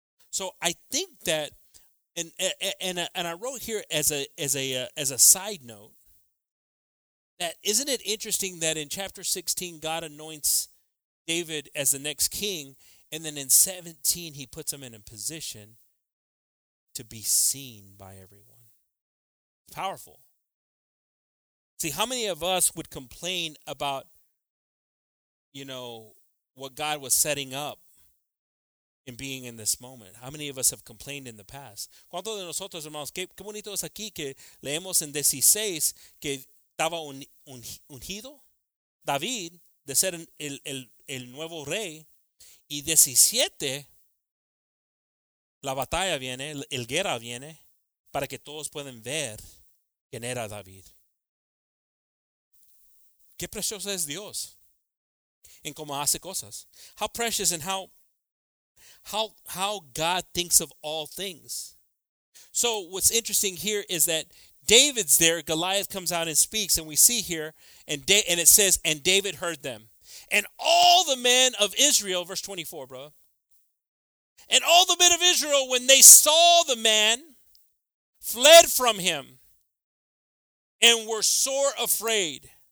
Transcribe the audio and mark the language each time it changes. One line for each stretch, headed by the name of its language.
English: So I think that, and I wrote here as a side note, that isn't it interesting that in chapter 16 God anoints David as the next king, and then in 17 he puts him in a position to be seen by everyone. It's powerful. See, how many of us would complain about, you know, what God was setting up in being in this moment? How many of us have complained in the past?
Spanish: ¿Cuántos de nosotros, hermanos, qué bonito es aquí que leemos en 16 que estaba ungido David de ser el nuevo rey? Y 17, la batalla viene, el guerra viene, para que todos puedan ver quién era David. Qué precioso es Dios en cómo hace cosas.
English: How precious and how God thinks of all things. So what's interesting here is that David's there, Goliath comes out and speaks, and we see here, and it says, and David heard them. And all the men of Israel, verse 24, bro. And all the men of Israel, when they saw the man, fled from him and were sore afraid.